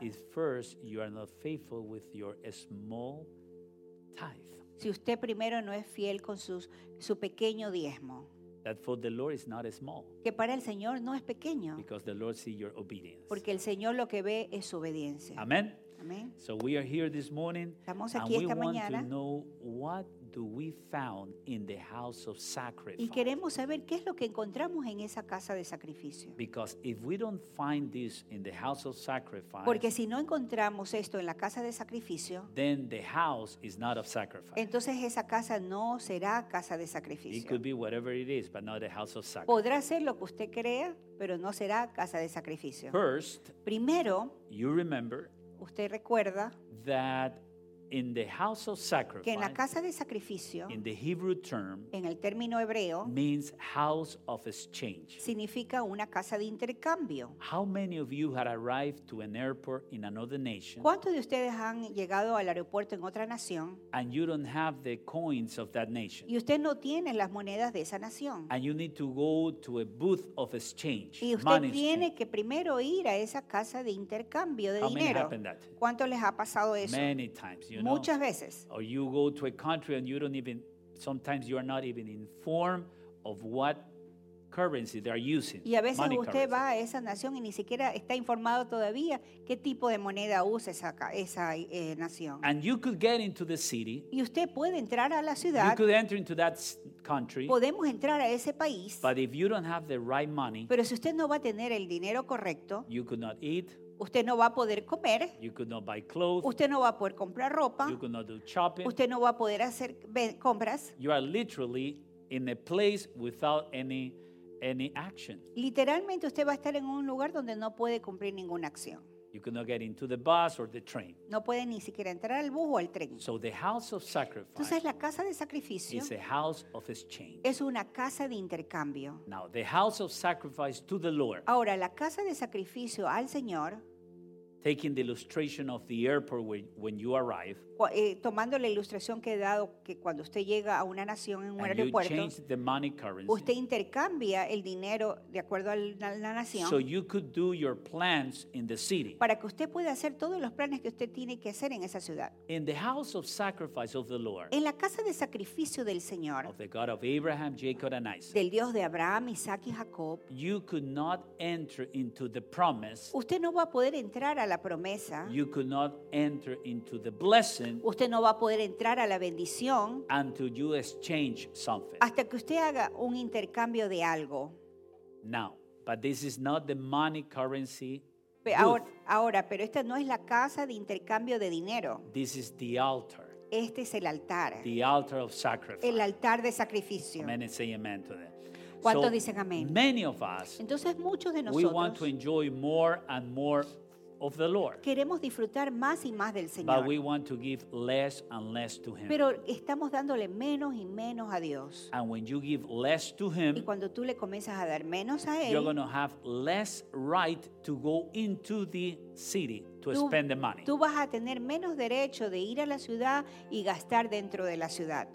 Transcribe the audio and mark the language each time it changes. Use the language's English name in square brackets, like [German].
[English] If first you are not faithful with your small tithe. [Spanish] Si usted primero no es fiel con su pequeño diezmo. [English] That for the Lord is not small. [Spanish] Que para el Señor no es pequeño. [English] Because the Lord sees your obedience. [Spanish] Porque el Señor lo que ve es su obediencia. [English] Amen. [Spanish] Amen. [English] So we are here this morning. [Spanish] Estamos aquí esta mañana. [English] And we want to know what do we found in the house of sacrifice? [Spanish] Y queremos saber qué es lo que encontramos en esa casa de sacrificio. [English] Because if we don't find this in the house of sacrifice, [Spanish] porque si no encontramos esto en la casa de sacrificio, [English] then the house is not of sacrifice. [Spanish] Entonces esa casa no será casa de sacrificio. [English] It could be whatever it is, but not the house of sacrifice. [Spanish] Podrá ser lo que usted crea, pero no será casa de sacrificio. [English] First, [Spanish] primero, [English] you remember, [Spanish] usted recuerda, [English] that in the house of sacrifice, [Spanish] que en la casa de sacrificio, [English] in the Hebrew term, [Spanish] en el término hebreo, [English] means house of exchange. [Spanish] Significa una casa de intercambio. [English] How many of you had arrived to an airport in another nation? [Spanish] ¿Cuántos de ustedes han llegado al aeropuerto en otra nación? [English] And you don't have the coins of that nation. [Spanish] Y usted no tiene las monedas de esa nación. [English] And you need to go to a booth of exchange. [Spanish] Y usted tiene que primero ir a esa casa de intercambio de dinero. ¿Cuánto les ha pasado eso? [English] Many times. You know, [Spanish] muchas veces. [English] Or you go to a country and you don't even, sometimes you are not even informed of what currency they are using. [Spanish] Y a veces usted currency. Va a esa nación y ni siquiera está informado todavía qué tipo de moneda usa esa nación. [English] And you could get into the city. [Spanish] Y usted puede entrar a la ciudad. [English] You could enter into that country. [Spanish] Podemos entrar a ese país. [English] But if you don't have the right money. [Spanish] Pero si usted no va a tener el dinero correcto. [English] You could not eat. [Spanish] Usted no va a poder comer. [English] You could not buy clothes. [Spanish] Usted no va a poder comprar ropa. [English] You could not do shopping. [Spanish] Usted no va a poder hacer compras. [English] You are literally in a place without any action. [Spanish] Literalmente usted va a estar en un lugar donde no puede cumplir ninguna acción. [English] You could not get into the bus or the train. [Spanish] No puede ni siquiera entrar al bus o al tren. [English] So the house of sacrifice. [Spanish] Entonces la casa de sacrificio [English] is a house of exchange. [Spanish] Es una casa de intercambio. [English] Now the house of sacrifice to the Lord. [Spanish] Ahora la casa de sacrificio al Señor. [English] Taking the illustration of the airport when you arrive. [Spanish] Tomando la ilustración que he dado que cuando usted llega a una nación en un aeropuerto. [English] And you change the money currency. [Spanish] Usted intercambia el dinero de acuerdo a la nación. [English] So you could do your plans in the city. [Spanish] Para que usted pueda hacer todos los planes que usted tiene que hacer en esa ciudad. [English] In the house of sacrifice of the Lord. [Spanish] En la casa de sacrificio del Señor. [English] Of the God of Abraham, Jacob, and Isaac. [Spanish] Del Dios de Abraham, Isaac y Jacob. [English] You could not enter into the promise. [Spanish] Usted no va a poder entrar a la promesa. [English] You could not enter into the blessing. [Spanish] Usted no va a poder entrar a la bendición. [English] Until you exchange something. [Spanish] Hasta que usted haga un intercambio de algo. [English] Now, but this is not the money currency. [Spanish] Ahora, pero esta no es la casa de intercambio de dinero. [English] This is the altar. [Spanish] Este es el altar. [English] The altar of sacrifice. [Spanish] El altar de sacrificio. [English] Amen and say amen to that. [Spanish] ¿Cuántos dicen amén? [English] Many of us. [Spanish] Entonces muchos de nosotros. [English] We want to enjoy more and more of the Lord. [Spanish] Queremos disfrutar más y más del Señor. [English] But we want to give less and less to him. [Spanish] Pero estamos dándole menos y menos a Dios. [English] And when you give less to him, [Spanish] y cuando tú le comienzas a dar menos a él, [English] you're going to have less right to go into the city to spend the money. [Spanish] Tú vas a tener menos derecho de ir a la ciudad y gastar dentro de la ciudad.